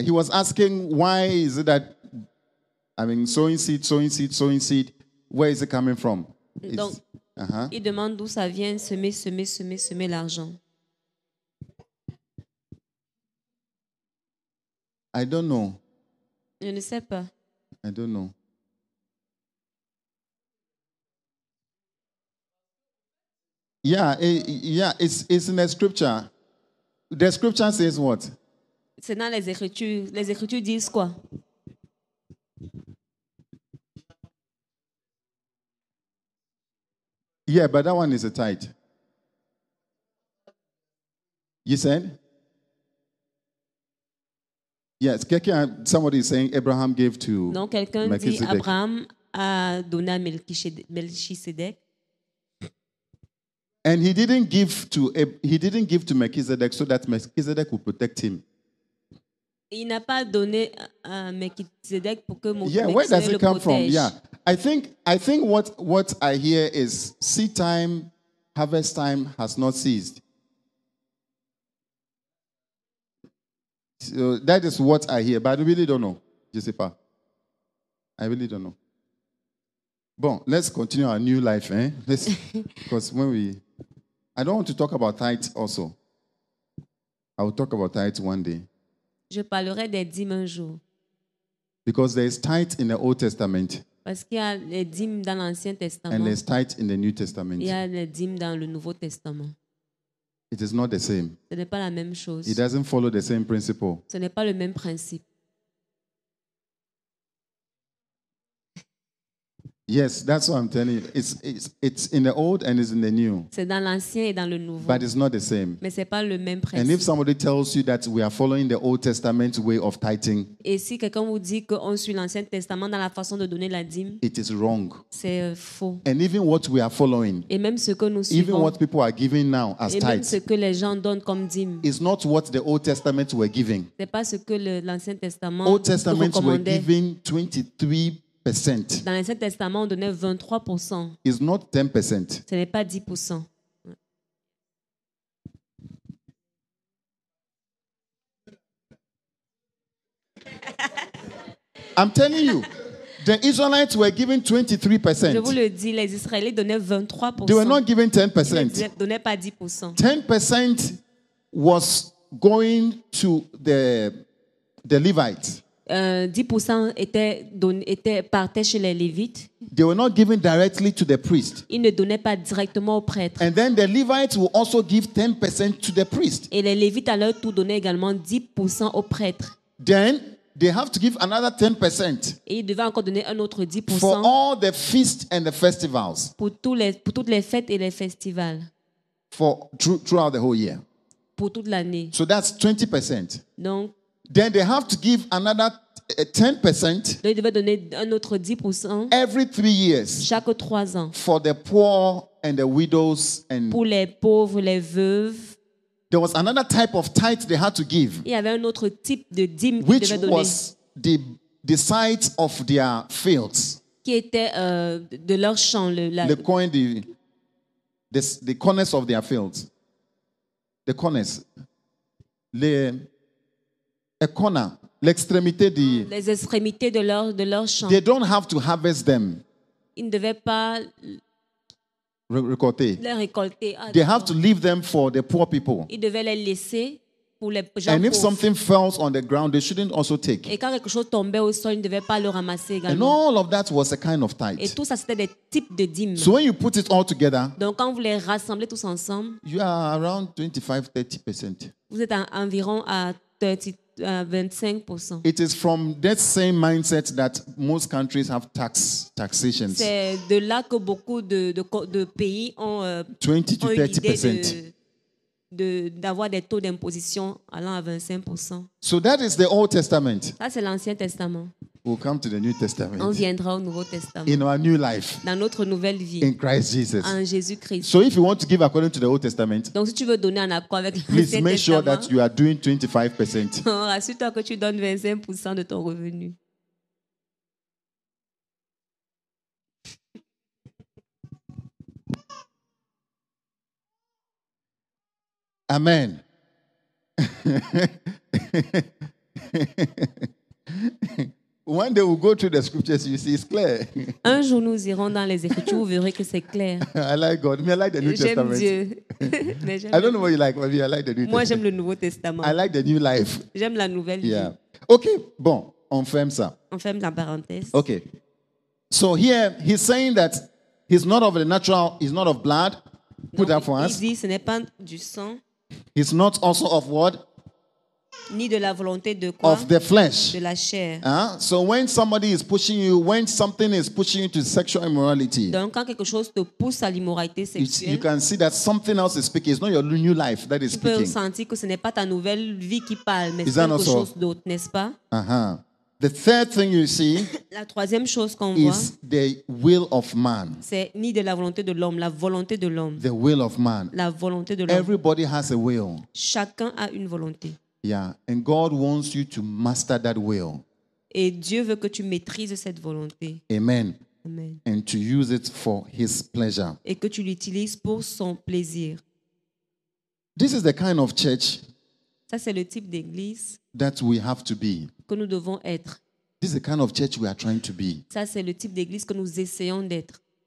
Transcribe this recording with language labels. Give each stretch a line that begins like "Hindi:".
English: He was asking, why is it that, I mean, sowing seed, where is it coming from?
French: Donc, il demande d'où ça vient, semer l'argent.
English: I don't know.
French: Je ne sais pas.
English: I don't know. Yeah, it's in the scripture. The scripture says what?
French: C'est dans les écritures. Les écritures disent quoi?
English: Yeah, but that one is a tithe. You said? Yes, somebody is saying Abraham gave to Melchizedek.
French: Non, quelqu'un dit Abraham a donné à Melchizedek.
English: And he didn't give to Melchizedek so that Melchizedek would protect him.
French: Il n'a pas donné à Melchizedek pour que Melchizedek le protège.
English: Yeah, where does it come from? Yeah, I think what I hear is seed time, harvest time has not ceased. So that is what I hear, but I really don't know.
French: Je sais pas.
English: I really don't know. Bon, let's continue our new life, eh? I don't want to talk about tithe also. I will talk about tithe one day.
French: Je parlerai des dîmes un jour.
English: Because there is tithe in the Old Testament.
French: Parce qu'il y a les dîmes dans l'Ancien Testament.
English: And there's tithe in the New Testament.
French: Il y a les dîmes dans le Nouveau Testament.
English: It is not the same.
French: Ce n'est pas la même chose.
English: It doesn't follow the same principle.
French: Ce n'est pas le même principe.
English: Yes, that's what I'm telling you. It's in the old and it's in the new.
French: C'est dans l'ancien et dans le nouveau.
English: But it's not the same.
French: Mais c'est pas le même principe.
English: And if somebody tells you that we are following the Old Testament way of tithing,
French: et si quelqu'un vous dit qu'on suit l'Ancien Testament dans la façon de donner la dîme,
English: it is wrong.
French: C'est faux.
English: And even what we are following,
French: et même ce que nous suivons,
English: even what people are giving now as
French: et même
English: tithes,
French: ce que les gens donnent comme dîme,
English: is not what the Old Testament were giving.
French: C'est pas ce que l'Ancien Testament
English: Old Testament were giving 23%.
French: Dans l'Ancien Testament, on donnait 23%.
English: It's not 10%.
French: Ce n'est pas 10%.
English: I'm telling you, the Israelites were given 23%.
French: Je vous le dis, les Israélites donnaient 23%.
English: They were not given 10%.
French: Ils ne donnaient pas 10%.
English: 10% was going to the Levites.
French: 10% était partait chez les Lévites.
English: They were not given directly to the priest.
French: Ils ne donnaient pas directement aux prêtres.
English: And then the Levites will also give 10% to the priest.
French: Et les Lévites à leur tour donnaient également 10% aux prêtres.
English: Then they have to give another 10%.
French: Et ils devaient encore donner un autre 10%.
English: For all the feasts and the festivals.
French: Pour toutes les fêtes et les festivals.
English: For throughout the whole year.
French: Pour toute l'année.
English: So that's 20%.
French: Donc
English: then they have to give another 10%.
French: Ils devaient donner un autre 10%.
English: Every 3 years.
French: Chaque 3 ans.
English: For the poor and the widows and.
French: Pour les pauvres, les veuves.
English: There was another type of tithe they had to give.
French: Il y avait un autre type de dîme qu'ils devaient donner.
English: Which was the site of their fields.
French: Qui était de leur champ,
English: the corners of their fields. The corners. A corner,
French: l'extrémité de. Les extrémités de leur champ.
English: They don't have to harvest them.
French: Ils ne devaient pas récolter. Les récolter.
English: They have to leave them for the poor people.
French: Ils devaient les laisser pour les gens
English: and
French: pauvres.
English: And if something falls on the ground, they shouldn't also take.
French: Et quand quelque chose tombait au sol, ils ne devaient pas le ramasser également.
English: And all of that was a kind of tithe.
French: Et tout ça c'était des types de dîmes.
English: So when you put it all together.
French: Donc quand vous les rassemblez tous ensemble.
English: You are around 25-30%.
French: Vous êtes environ à 30%. 25%.
English: It is from that same mindset that most countries have taxations.
French: C'est de là que beaucoup de pays ont 20-30% d'avoir des taux d'imposition allant à 25%.
English: So that is the Old Testament.
French: Ça c'est l'Ancien Testament.
English: We'll come to the New Testament.
French: On viendra au Nouveau Testament.
English: In our new life.
French: Dans notre nouvelle vie.
English: In Christ Jesus.
French: En Jésus-Christ.
English: So if you want to give according to the Old Testament,
French: donc si tu veux donner en accord avec l'Ancien Testament,
English: please make sure that you are doing 25%.
French: Assure-toi que tu donnes 25% de ton revenu.
English: Amen. One day we'll go through the scriptures, you see, it's clear.
French: Un jour nous irons dans les écritures, vous verrez que c'est clair.
English: I like God. I like the New
French: j'aime
English: Testament.
French: Dieu.
English: I don't know what you like, but I like the New Testament.
French: Moi, j'aime le Nouveau Testament.
English: I like the new life.
French: J'aime la nouvelle
English: yeah.
French: vie. OK, bon, on ferme ça. On ferme la parenthèse.
English: OK. So here, he's saying that he's not of the natural, he's not of blood. Put that for
French: il
English: us.
French: Il dit, ce n'est pas du sang.
English: He's not also of what?
French: Ni de la volonté de quoi?
English: Of the flesh.
French: De la chair. Huh?
English: So when somebody is pushing you, when something is pushing you to sexual immorality,
French: donc quand quelque chose te pousse à l'immoralité sexuelle,
English: you can see that something else is speaking. It's not your new life that is
French: tu
English: speaking.
French: Tu peux sentir que ce n'est pas ta nouvelle vie qui parle, mais c'est quelque
English: also?
French: Chose d'autre, n'est-ce pas?
English: Uh-huh. The third thing you see
French: la troisième chose qu'on
English: is
French: voit,
English: the will of man.
French: C'est ni de la volonté de l'homme, la volonté de l'homme.
English: The will of man.
French: La volonté de l'homme.
English: Everybody has a will.
French: Chacun a une volonté.
English: Yeah, and God wants you to master that will.
French: Et Dieu veut que tu maîtrises cette volonté.
English: Amen. Amen. And to use it for his pleasure.
French: Et que tu l'utilises pour son plaisir.
English: This is the kind of church
French: ça, c'est le type d'église
English: that we have to be.
French: Que nous devons être.
English: This is the kind of church we are trying to be.
French: Ça, c'est le type d'église que nous essayons d'être.